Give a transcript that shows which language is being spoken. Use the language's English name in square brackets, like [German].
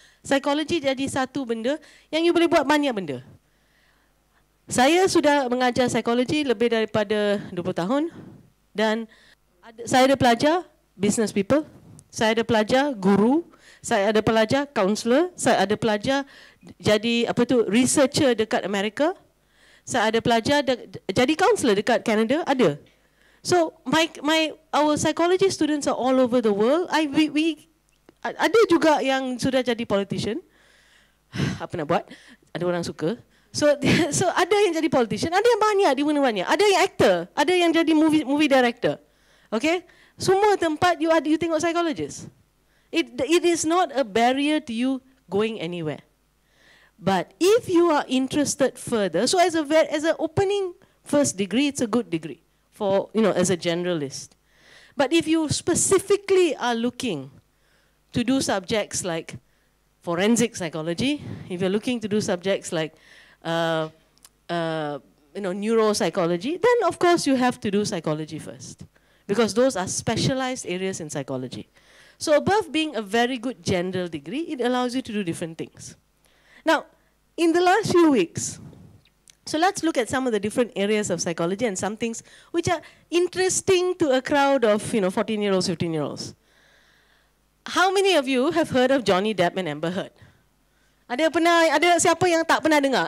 [Malay] Psychology jadi satu benda yang you boleh buat banyak benda. Saya sudah mengajar psikologi lebih daripada 20 tahun dan saya ada pelajar business people, saya ada pelajar guru, saya ada pelajar counselor, saya ada pelajar jadi apa tu researcher dekat Amerika, saya ada pelajar jadi counselor dekat Canada ada. [English] So our psychology students are all over the world. [Malay] We ada juga yang sudah jadi politician. Apa nak buat? Ada orang suka. So ada yang jadi politician, ada yang banyak di mana-mana. Ada yang actor, ada yang jadi movie director. Okay? Semua tempat you tengok psychologist. [English] It is not a barrier to you going anywhere. But if you are interested further, so as an opening first degree, it's a good degree for, you know, as a generalist. But if you specifically are looking to do subjects like forensic psychology, if you're looking to do subjects like neuropsychology, then of course you have to do psychology first, because those are specialized areas in psychology. So above being a very good general degree, it allows you to do different things. Now, In the last few weeks, so let's look at some of the different areas of psychology and some things which are interesting to a crowd of, you know, 14-year-olds, 15-year-olds. How many of you have heard of Johnny Depp and Amber Heard? [Malay] Ada pernah, ada siapa yang tak pernah dengar?